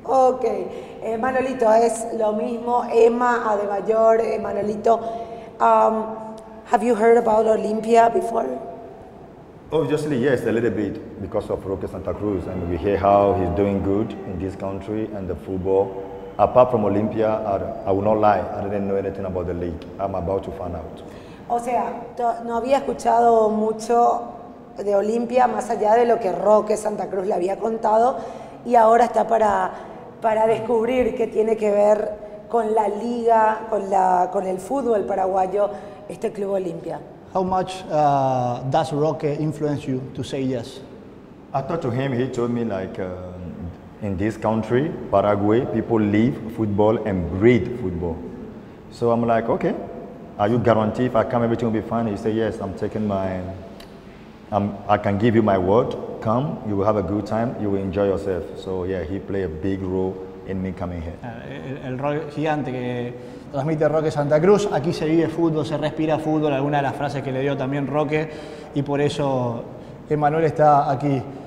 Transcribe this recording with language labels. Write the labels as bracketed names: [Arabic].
[Spanish] Okay. Manolito es lo mismo, Emma Adebayor, Manolito. [English] Have you heard about Olimpia before? Obviously, yes, a little bit, because of Roque Santa Cruz, and we hear how he's doing good in this country and the football. Apart from Olimpia, I will not lie, I didn't know anything about the league. I'm about to find out. [Spanish] O sea, no había escuchado mucho de Olimpia, más allá de lo que Roque Santa Cruz le había contado, y ahora está para descubrir qué tiene que ver con la liga, con el fútbol paraguayo, este club Olimpia. [English] How much does Roque influence you to say yes? I talked to him, he told me like in this country, Paraguay, people live football and breathe football. So I'm like, okay, are you guaranteed if I come everything will be fine? He said, yes, I can give you my word, come, you will have a good time, you will enjoy yourself. So yeah, he played a big role [Spanish] en mi [English] coming here. [Spanish] El rol gigante que transmite Roque Santa Cruz, aquí se vive fútbol, se respira fútbol, alguna de las frases que le dio también Roque, y por eso Emmanuel está aquí.